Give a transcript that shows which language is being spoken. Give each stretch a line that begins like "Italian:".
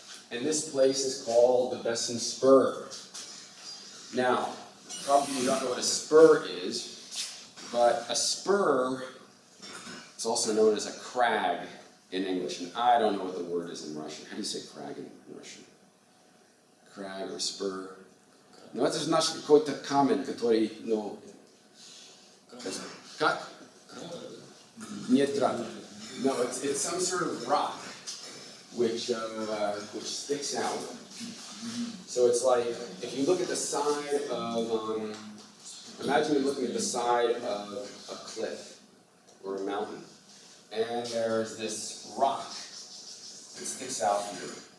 English: And this place is called the Besson Spur. Now, probably you don't know what a spur is, but a spur is also known as a crag in English, and I don't know what the word is in Russian. How do you say crag in Russian? Crag or spur?
Russian: Но это же наш какой-то камень, который, ну, как? Нет, крак.
English: No, it's some sort of rock which sticks out. So it's like, if you look at the side of, imagine you're looking at the side of a cliff or a mountain, and there's this rock that sticks out here.